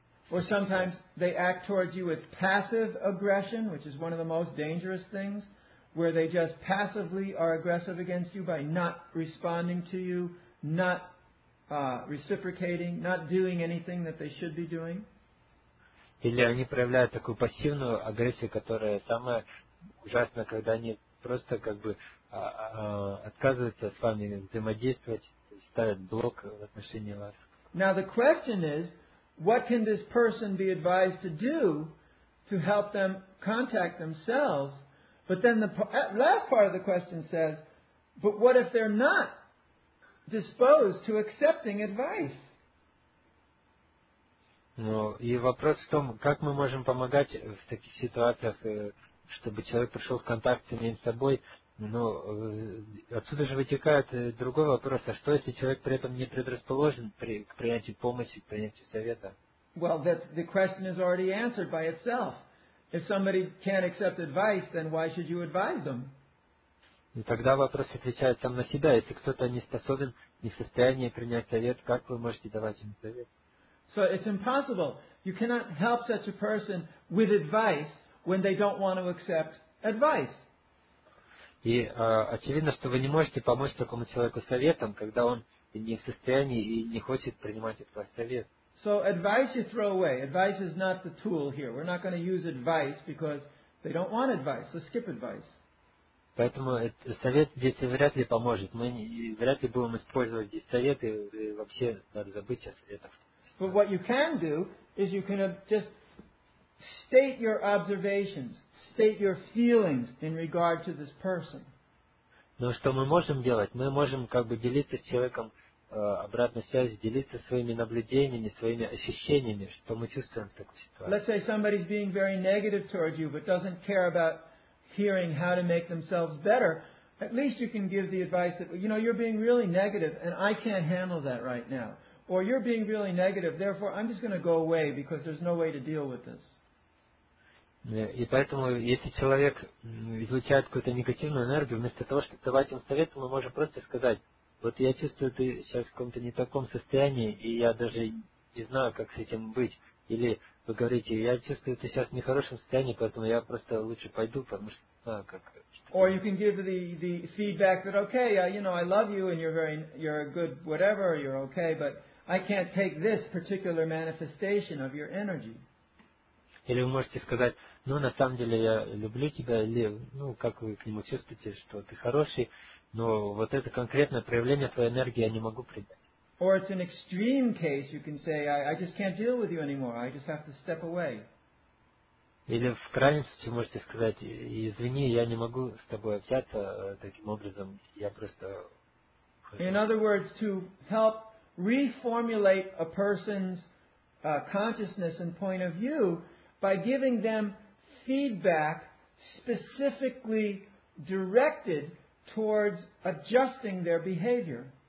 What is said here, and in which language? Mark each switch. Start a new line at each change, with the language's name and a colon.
English: Or sometimes they act towards you with passive aggression, which is one of the most dangerous things, where they just passively are aggressive against you by not responding to you, not reciprocating, not doing anything that they should be doing.
Russian: Или они проявляют такую пассивную агрессию, которая самая ужасная, когда они просто как бы отказываются с вами взаимодействовать, ставят блок в отношении вас.
English: Now the question is, what can this person be advised to do to help them contact themselves? But then the last part of the question says, but what if they're not disposed to accepting advice?
Russian: Ну, и вопрос в том, как мы можем помогать в таких ситуациях, чтобы человек пришел в контакт с собой. Ну, отсюда же вытекает другой вопрос, а что, если человек при этом не предрасположен к принятию помощи, к принятию совета?
English: Well, the question is already answered by itself. If somebody can't accept advice, then why should you advise them?
Russian: И тогда вопрос отвечает сам на себя. Если кто-то не способен, не в состоянии принять совет, как вы можете давать ему совет?
English: So it's impossible. You cannot help such a person with advice when they don't want to accept advice.
Russian: И очевидно, что вы не можете помочь такому человеку советом, когда он не в состоянии и не хочет принимать от вас совет.
English: So advice you throw away. Advice is not the tool here. We're not going to use advice because they don't want advice. So skip advice.
Russian: Поэтому совет здесь вряд ли поможет. Мы вряд ли будем использовать здесь совет, и вообще надо забыть о советах.
English: But what you can do is you can just state your observations. State your feelings in regard to this person.
Russian: Но что мы можем делать? Мы можем как бы делиться с человеком обратной связью, делиться своими наблюдениями, своими ощущениями, что мы чувствуем в такой ситуации.
English: Let's say somebody's being very negative towards you, but doesn't care about hearing how to make themselves better. At least you can give the advice that, you know, you're being really negative, and I can't handle that right now. Or you're being really negative, therefore I'm just going to go away because there's no way to deal with this.
Russian: И поэтому, если человек излучает какую-то негативную энергию, вместо того, чтобы давать ему совет, мы можем просто сказать, вот я чувствую, ты сейчас в каком-то не таком состоянии, и я даже не знаю, как с этим быть. Или вы говорите, я чувствую, ты сейчас в нехорошем состоянии, поэтому я просто лучше пойду, потому что,
English: Or you can give the feedback that, okay, you know, I love you, and you're a good whatever, you're okay, but I can't take this particular manifestation of your energy.
Russian: Или вы можете сказать, ну, на самом деле, я люблю тебя, или, ну, как вы к нему чувствуете, что ты хороший, но вот это конкретное проявление твоей энергии я не могу принять.
English: Or it's an extreme case, you can say, I just can't deal with you anymore, I just have to step away.
Russian: Или в крайнем случае можете сказать, извини, я не могу с тобой общаться таким образом, я просто...
English: In other words, to help reformulate a person's consciousness and point of view, by giving them feedback specifically directed towards adjusting their behavior.